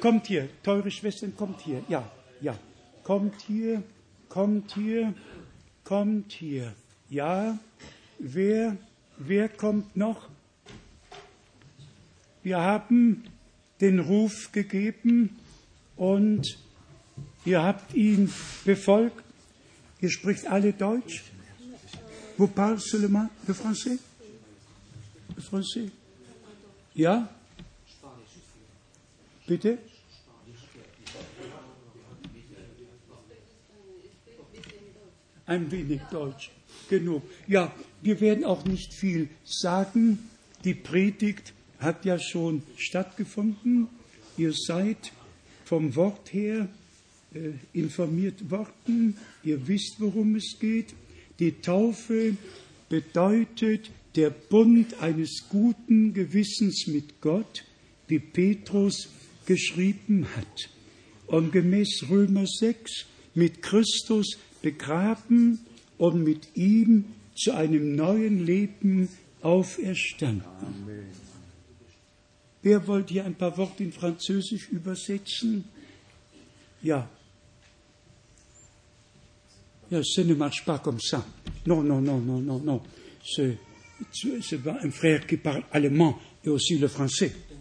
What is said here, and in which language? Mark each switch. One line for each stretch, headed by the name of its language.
German: Kommt hier, teure Schwestern, kommt hier. Ja, ja. Kommt hier, kommt hier, kommt hier. Ja, wer kommt noch? Wir haben den Ruf gegeben und ihr habt ihn befolgt. Ihr spricht alle Deutsch?
French: Vous parlez seulement le français? Le français? Ja?
German: Bitte? Ein wenig Deutsch. Genug. Ja, wir werden auch nicht viel sagen. Die Predigt hat ja schon stattgefunden. Ihr seid vom Wort her informiert worden. Ihr wisst, worum es geht. Die Taufe bedeutet der Bund eines guten Gewissens mit Gott, wie Petrus geschrieben hat. Und gemäß Römer 6, mit Christus begraben und mit ihm zu einem neuen Leben auferstanden. Amen. Wer wollte hier ein paar Worte in Französisch übersetzen? Ja.
French: Ja, ce ne marche pas comme ça. Non, non, non, non, non, non. C'est pas un frère qui parle allemand et aussi le français.